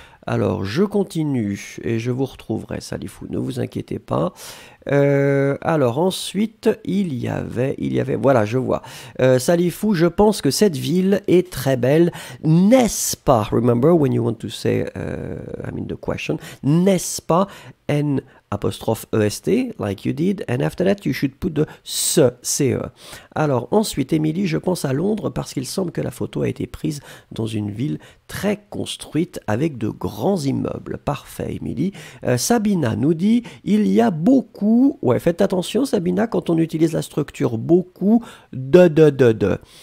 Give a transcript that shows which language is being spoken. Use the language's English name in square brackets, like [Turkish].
[French] Alors, je continue et je vous retrouverai, Salifou, ne vous inquiétez pas. Alors, ensuite, il y avait, voilà, je vois. Salifou, je pense que cette ville est très belle, n'est-ce pas ? [English] Remember when you want to say, the question, [French] n'est-ce pas ? [English] Apostrophe EST, like you did, and after that you should put the ce, CE. [French] Alors ensuite, Émilie, je pense à Londres parce qu'il semble que la photo a été prise dans une ville très construite avec de grands immeubles. Parfait, Émilie. Sabina nous dit, il y a beaucoup, ouais, faites attention Sabina, quand on utilise la structure beaucoup de.